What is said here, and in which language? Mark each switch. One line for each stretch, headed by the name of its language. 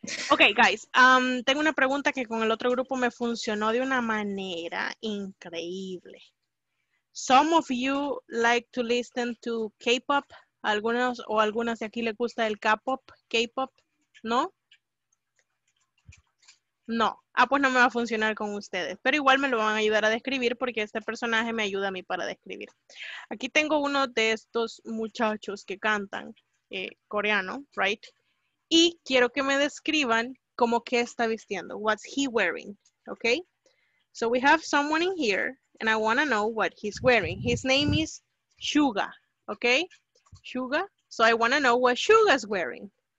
Spanish: Ok, guys, tengo una pregunta que con el otro grupo me funcionó de una manera increíble.
English: Some of you like to listen to K-pop.
Spanish: Algunos o algunas de aquí les gusta el K-pop, K-pop, ¿no? No. Ah, pues no me va a funcionar con ustedes. Pero igual me lo van a ayudar a describir porque este personaje me ayuda a mí para describir. Aquí tengo uno de estos muchachos que cantan coreano, right? Y quiero que me describan cómo qué está vistiendo.
English: What's he wearing, okay? So we have someone in here. And I want to know what he's wearing. His name is Suga, okay? Suga. So I want to know what Suga's wearing.